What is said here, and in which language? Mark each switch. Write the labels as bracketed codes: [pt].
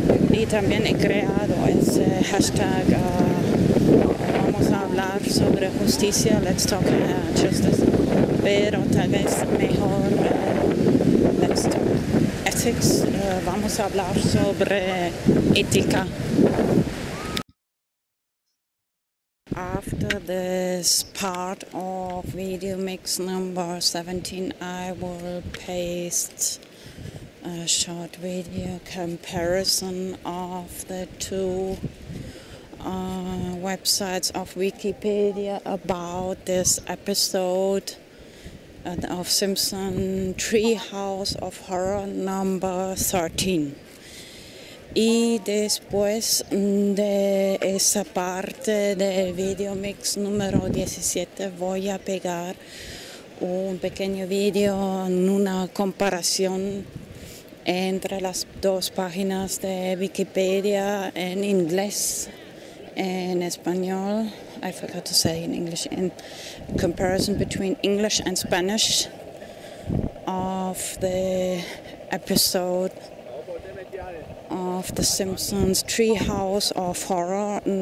[es] Y también he creado ese hashtag, vamos a hablar sobre justicia, [en] Let's Talk Justice, [es] pero tal vez mejor, [en] Let's Talk Ethics, [es] vamos a hablar sobre ética. [en] After this part of video mix number 17, I will paste a short video comparison of the two websites of Wikipedia about this episode of Simpson Treehouse of Horror number 13. [es] Y después de esa parte de VideoMix número 17 voy a pegar un pequeño video en una comparación entre las dos páginas de Wikipedia en inglés, en español. [en] I forgot to say in English, in comparison between English and Spanish of the episode of The Simpsons Treehouse of Horror.